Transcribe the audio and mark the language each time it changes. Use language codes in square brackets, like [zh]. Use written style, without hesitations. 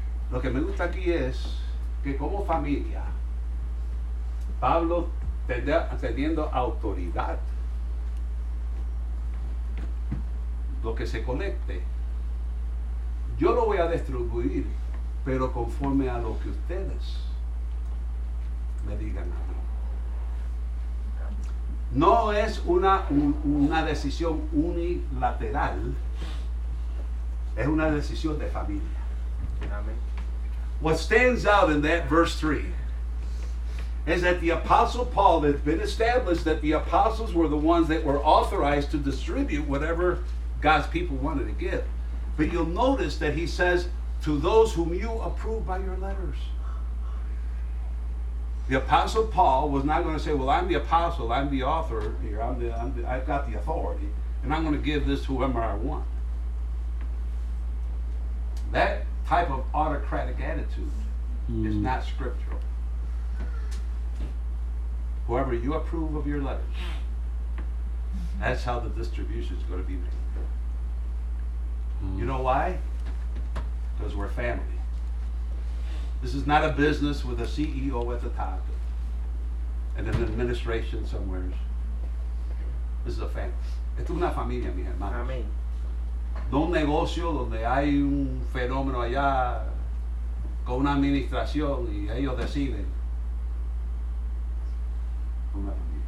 [es] Lo que me gusta aquí es que como familia, Pablo teniendo autoridad, lo que se conecte, yo lo voy a distribuir, pero conforme a lo que ustedes me digan a mí. No es una decisión unilateral, es una decisión de familia. [en] What stands out in that verse 3 is that the apostle Paul, it's been established that the apostles were the ones that were authorized to distribute whatever God's people wanted to give. But you'll notice that he says, to those whom you approve by your letters. The apostle Paul was not going to say, well, I'm the apostle, I'm the author here, I've got the authority, and I'm going to give this to whoever I want. That type of autocratic attitude is not scriptural. Whoever you approve of your letters, that's how the distribution is going to be made. You know why? Because we're family. This is not a business with a CEO at the top and an administration somewhere. This is a family. [es] Es una familia, mi hermano. Amén. No un negocio donde hay un fenómeno allá con una administración y ellos deciden. Una familia.